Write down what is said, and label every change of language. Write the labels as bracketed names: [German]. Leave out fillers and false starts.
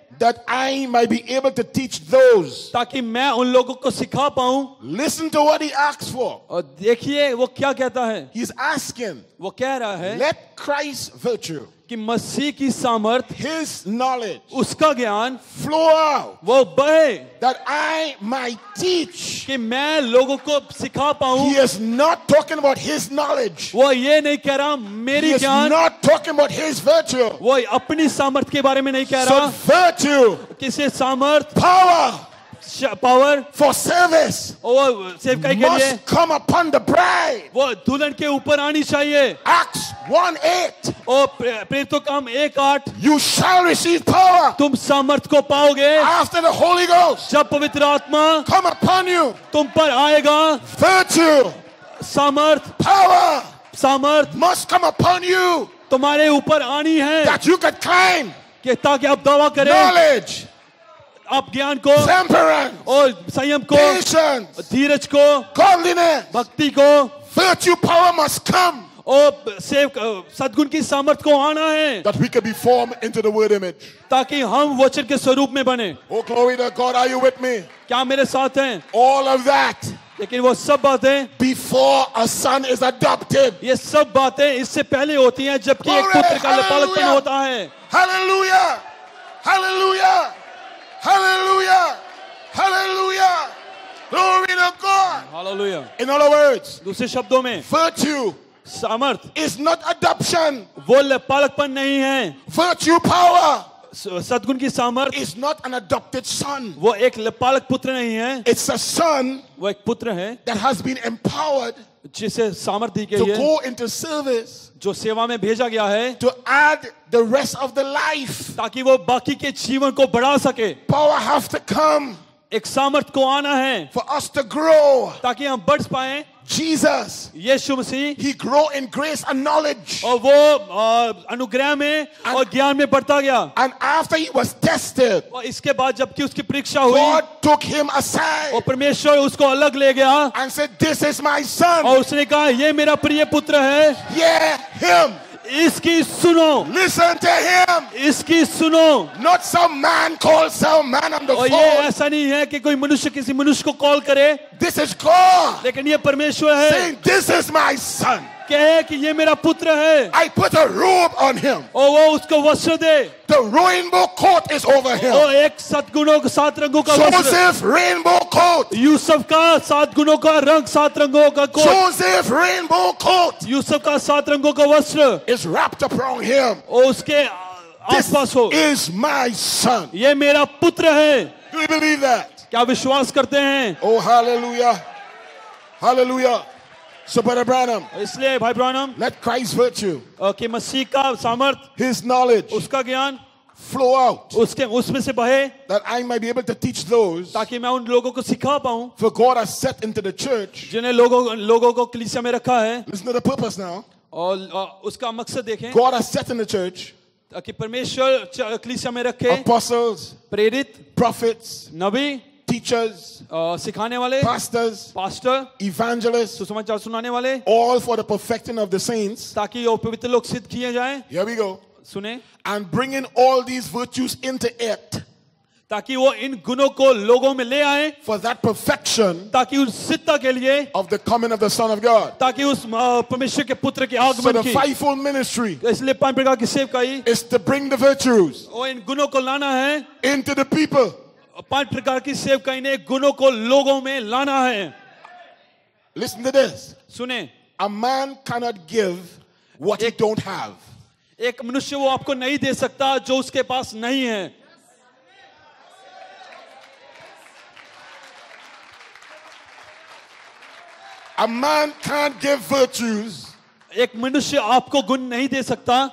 [English] That I might be able to teach those. [Hindi] ताकि मैं उन लोगों को सिखा पाऊँ. [English] Listen to what he asks for. [Hindi] और देखिए वो क्या कहता है. [English] He's asking. [Hindi] वो कह रहा है. [English] Let Christ's virtue. [Hindi] कि मसीह की सामर्थ. [English] His knowledge. [Hindi] उसका ज्ञान. [English] Flow out. [Hindi] वो बहे. [English] That I might teach. [Hindi] कि मैं लोगों को सिखा पाऊँ. [English] He is not talking about his knowledge. [Hindi] वो ये नहीं कह रहा मेरी ज्ञान. [English] He is not talking about his virtue. [Hindi] वो अपनी सामर्थ के बारे में नहीं कह रहा. [English] So virtue. [Hindi] किसे सामर्थ. [English] Power. power for service must come upon the bride. Acts 1:8. You shall receive power after the Holy Ghost come upon you. Virtue, [Hindi] samarth, [English] power, [Hindi] samarth [English] must come upon you. [Hindi] तुम्हारे ऊपर आनी है [English] that you can claim [Hindi] कि ताकि आप दावा करें [English] knowledge [Hindi] आप ज्ञान को [English] temperance [Hindi] और संयम को [English] patience [Hindi] धीरज को [English] godliness [Hindi] भक्ति को [English] virtue power must come [Hindi] और सेव सद्गुण की सामर्थ को आना है [English] that we can be formed into the word image [Hindi] ताकि हम वचन के स्वरूप में बने [English] oh glory to God are you with me [Hindi] क्या मेरे साथ हैं [English] all of that [Hindi] लेकिन वो सब बातें [English] before a son is adopted [Hindi] ये सब बातें इससे पहले होती हैं जबकि एक पुत्र का लालपालन होता है hallelujah hallelujah hallelujah hallelujah [English] glory to God [Hindi] hallelujah [English] in other words [Hindi] दूसरे शब्दों में [English] virtue [Hindi] सामर्थ [English] is not adoption [Hindi] वो लालपालन नहीं है [English] virtue power [Hindi] सद्गुण की सामर्थ [English] is not an adopted son [Hindi] वो एक लालपालन पुत्र नहीं है [English] it's a son [Hindi] वो एक पुत्र है [English] that has been empowered [Hindi] जिसे सामर्थ दी गई है [English] to go into service [Hindi] जो सेवा में भेजा गया है [English] to add the rest of the life [Hindi] ताकि वो बाकी के जीवन को बढ़ा सके [English] power have to come [Hindi] एक सामर्थ को आना है [English] for us to grow [Hindi] ताकि हम बढ़ पाए [English] Jesus, [Hindi] Yeshu Masih, [English] he grew in grace and knowledge. [Hindi] और वो अनुग्रह में और ज्ञान में बढ़ता गया. [English] And after he was tested, [Hindi] और इसके बाद जबकि उसकी परीक्षा हुई, [English] God took him aside. [Hindi] और परमेश्वर उसको अलग ले गया. [English] And said, "This is my son." [Hindi] और उसने कहा, ये मेरा प्रिय पुत्र है. [English] Yeah, him. [Hindi] इसकी सुनो. [English] Listen to him. [Hindi] इसकी सुनो. [English] Not some man called some man on the phone. [Hindi] और ये ऐसा नहीं है कि कोई मनुष्य किसी मनुष्य को कॉल करे. [English] This is God. [Hindi] लेकिन ये परमेश्वर है. [English] Saying, "This is my son." [Hindi] कहे कि ये मेरा पुत्र है. [English] I put a robe on him. [Hindi] और वो उसको वस्त्र दे. [English] The rainbow coat is over him. [Hindi] और एक सद्गुणों के सात रंगों का वस्त्र. [English] Joseph rainbow coat. [Hindi] यूसुफ का सात गुणों का रंग सात रंगों का coat. [English] Joseph rainbow coat. [Hindi] Yusuf का सात रंगों का वस्त्र. [English] Is wrapped around him. [Hindi] और उसके आसपास हो. [English] This is my son. [Hindi] ये मेरा पुत्र है. [English] Do you believe that? [Hindi] क्या विश्वास करते हैं? [English] Oh hallelujah, hallelujah. So Brother Branham, [Hindi] इसलिए भाई ब्रानम, [English] let Christ's virtue, [Hindi] कि मसीह का सामर्थ, [English] His knowledge, [Hindi] उसका ज्ञान, [English] flow out, [Hindi] उसके उसमें से बहे, [English] that I might be able to teach those, [Hindi] ताकि मैं उन लोगों को सिखा पाऊँ, [English] for God has set into the church, [Hindi] जिन्हें लोगों को कलीसिया में रखा है, [English] listen to the purpose now, [Hindi] और उसका मकसद देखें, [English] God has set in the church. [Hindi] ताकि परमेश्वर कलीसिया में रखे [English] apostles, [Hindi] प्रेरित [English] prophets, [Hindi] नबी [English] teachers [Hindi] सिखाने वाले [English] pastors pastor evangelists [Hindi] सुसमाचार सुनाने वाले [English] all for the perfecting of the saints [Hindi] ताकि ये पवित्र लोग सिद्ध किए जाएं [English] here we go [Hindi] सुने [English] and bringing all these virtues into it [Hindi] ताकि वो इन गुणों को लोगों में ले आए [English] for that perfection [Hindi] ताकि उस सिद्धता के लिए [English] of the coming of the son of god [Hindi] ताकि उस परमेश्वर के पुत्र के आगमन की [English] fivefold ministry [Hindi] इसलिए पांच प्रकार की सेवकाई [English] is to bring the virtues [Hindi] और इन गुणों को लाना है [English] into the people [Hindi] पांच प्रकार की सेवकाई ने गुणों को लोगों में लाना है [English] Listen to this. [Hindi] सुने [English] A man cannot give what he don't have. [Hindi] एक मनुष्य वो आपको नहीं दे सकता जो उसके पास नहीं है [English] A man can't give virtues. [Hindi] एक मनुष्य आपको गुण नहीं दे सकता